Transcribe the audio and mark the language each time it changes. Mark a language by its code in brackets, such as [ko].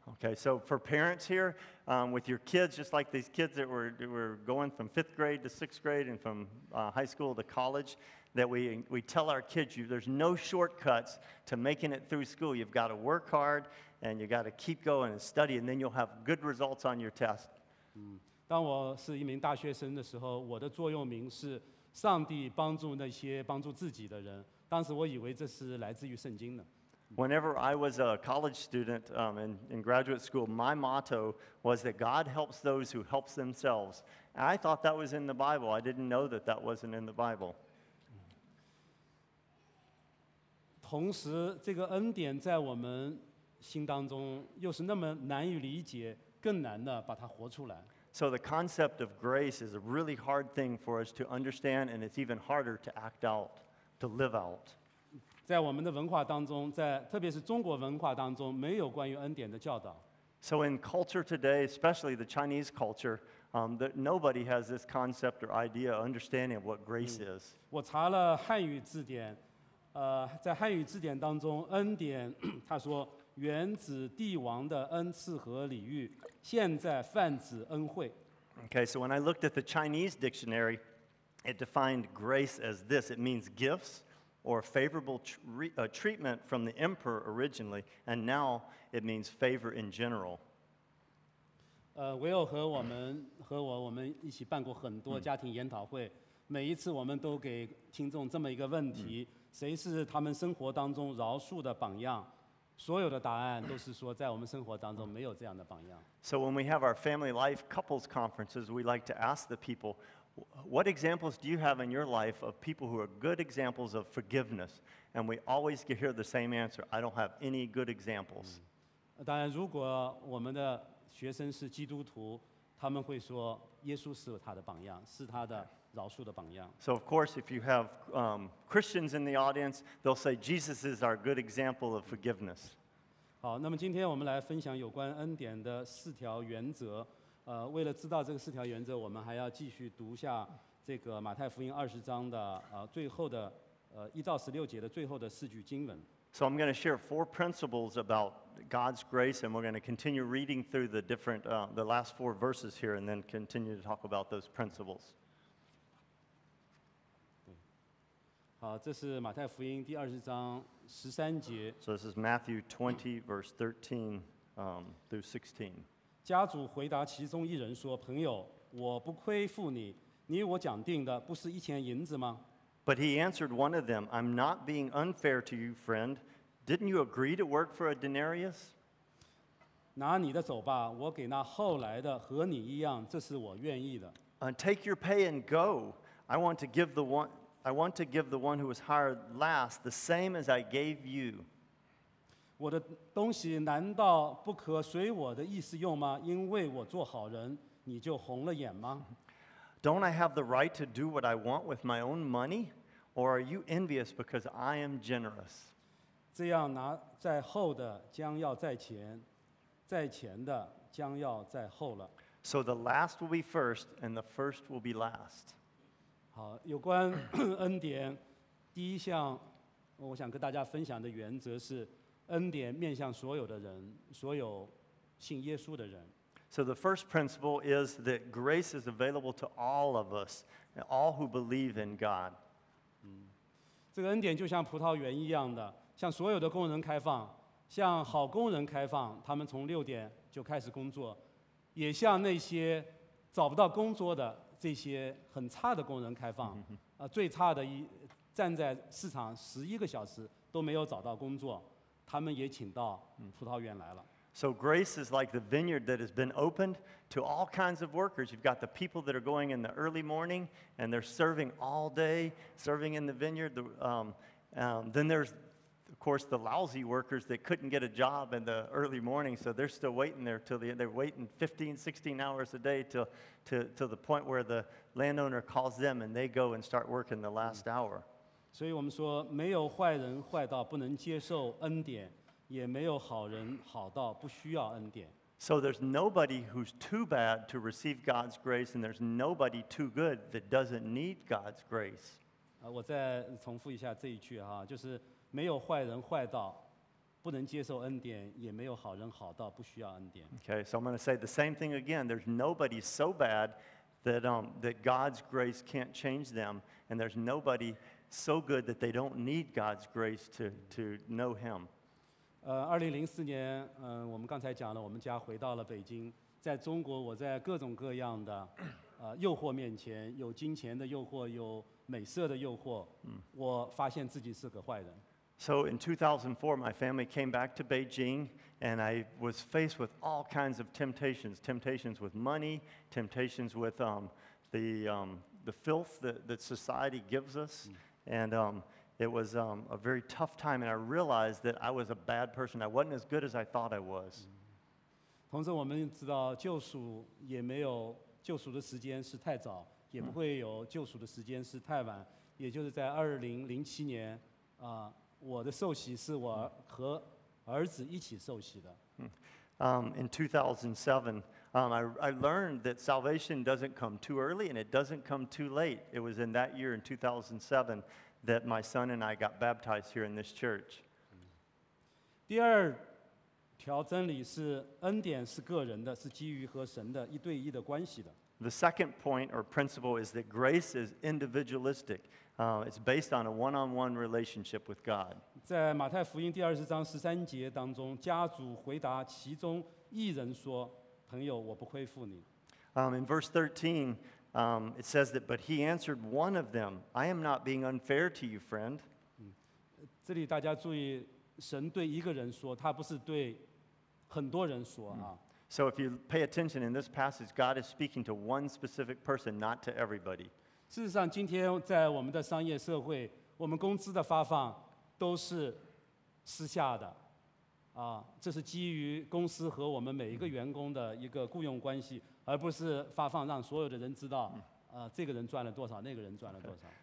[en] Okay, so for parents here, with your kids, just like these kids that were going from fifth grade to sixth grade and from high school to college, that we tell our kids, there's no shortcuts to making it through school. You've got to work hard and you've got to keep going and study, and then you'll have good results on your test. [zh] 当我是一名大学生的时候，我的座右铭是上帝帮助那些帮助自己的人，当时我以为这是来自于圣经的。 [en] Whenever I was a college student in graduate school, my motto was that God helps those who helps themselves. I thought that was in the Bible. I didn't know that that wasn't in the Bible. [zh] 同时这个恩典在我们心当中又是那么难以理解，更难的把它活出来。 [en] So the concept of grace is a really hard thing for us to understand, and it's even harder to act out, to live out. [zh] 在我们的文化当中，在特别是中国文化当中，没有关于恩典的教导。 [en] So in culture today, especially the Chinese culture, nobody has this concept or idea or understanding of what grace is. [zh] 我查了汉语字典，在汉语字典当中，恩典，他说。原指帝王的恩赐和礼遇，现在泛指恩惠。 [en] Okay, so when I looked at the Chinese dictionary, it defined grace as this. It means gifts or favorable treatment from the emperor originally, and now it means favor in general. [zh] Will 和我们和我我们一起办过很多家庭研讨会，每一次我们都给听众这么一个问题：谁是他们生活当中饶恕的榜样？所有的答案都是说，在我们生活当中没有这样的榜样。 [en] So when we have our family life couples conferences, we like to ask the people, what examples do you have in your life of people who are good examples of forgiveness? And we always hear the same answer, I don't have any good examples. [zh] 当然，如果我们的学生是基督徒，他们会说，耶稣是他的榜样，是他的饶恕的榜样。 [en] So of course, if you have Christians in the audience, they'll say Jesus is our good example of forgiveness. [zh] 好，那么今天我们来分享有关恩典的四条原则。为了知道这个四条原则，我们还要继续读下这个马太福音二十章的最后的一到十六节的最后的四句经文。 [en] So I'm going to share four principles about God's grace, and we're going to continue reading through the different the last four verses here, and then continue to talk about those principles. [zh] 好，这是马太福音第二十章十三节。 [en] So this is Matthew 20, verse 13, through 16. [zh] 家主回答其中一人说：“朋友，我不亏负你，你我讲定的不是一钱银子吗？ [en] But he answered one of them, I'm not being unfair to you, friend. Didn't you agree to work for a denarius? [zh] 拿你的走吧，我给那后来的和你一样，这是我愿意的。 [en] Take your pay and go. I want to give the one who was hired last the same as I gave you. [zh] 我的东西难道不可随我的意思用吗？因为我做好人，你就红了眼吗？ [en] Don't I have the right to do what I want with my own money? Or are you envious because I am generous? [zh] 这样拿在后的将要在前，在前的将要在后了。 [en] So the last will be first, and the first will be last. [zh] 好，有关恩典，第一项，我想跟大家分享的原则是，恩典面向所有的人，所有信耶稣的人。 [en] So the first principle is that grace is available to all of us, all who believe in God. [zh] 这个恩典就像葡萄园一样的，向所有的工人开放，向好工人开放，他们从六点就开始工作。也向那些找不到工作的这些很差的工人开放，最差的站在市场11个小时都没有找到工作，他们也请到葡萄园来了。 [en] So grace is like the vineyard that has been opened to all kinds of workers. You've got the people that are going in the early morning and they're serving all day, serving in the vineyard. Then there's, of course, the lousy workers that couldn't get a job in the early morning, so they're still waiting there till they're waiting 15, 16 hours a day till the point where the landowner calls them and they go and start working the last hour. [zh] 所以我们说，没有坏人坏到不能接受恩典，也没有好人好到不需要恩典。 [en] So there's nobody who's too bad to receive God's grace, and there's nobody too good that doesn't need God's grace. [zh] 我再重复一下这一句哈，就是。没有坏人坏到不能接受恩典，也没有好人好到不需要恩典。 [en] Okay, so I'm going to say the same thing again. There's nobody so bad that that God's grace can't change them, and there's nobody so good that they don't need God's grace to know Him. [zh] 2004年，我们刚才讲了，我们家回到了北京。在中国，我在各种各样的诱惑面前，有金钱的诱惑，有美色的诱惑，我发现自己是个坏人。 [en] So in 2004, my family came back to Beijing, and I was faced with all kinds of temptations, temptations with money, temptations with the filth that society gives us, and it was a very tough time, and I realized that I was a bad person. I wasn't as good as I thought I was. [zh] 同时我们知道救赎也没有救赎的时间是太早，也不会有救赎的时间是太晚，也就是在2007年啊。我的受洗是我和儿子一起受洗的。 [en] In 2007, I learned that salvation doesn't come too early and it doesn't come too late. It was in that year, in 2007, that my son and I got baptized here in this church. [zh] 第二条真理是恩典是个人的，是基于和神的一对一的关系的。 [en] The second point or principle is that grace is individualistic. It's based on a one-on-one relationship with God. [zh] 在马太福音第20章13节当中，家主回答其中一人说：“朋友，我不亏负你。” [en] In verse 13, it says that, but he answered one of them, "I am not being unfair to you, friend." [zh] 这里大家注意，神对一个人说，他不是对很多人说啊。 [en] So if you pay attention in this passage, God is speaking to one specific person, not to everybody. [zh] 事实上，今天在我们的商业社会，我们工资的发放都是私下的，啊，这是基于公司和我们每一个员工的一个雇佣关系，而不是发放让所有的人知道。这个人赚了多少，那个人赚了多少。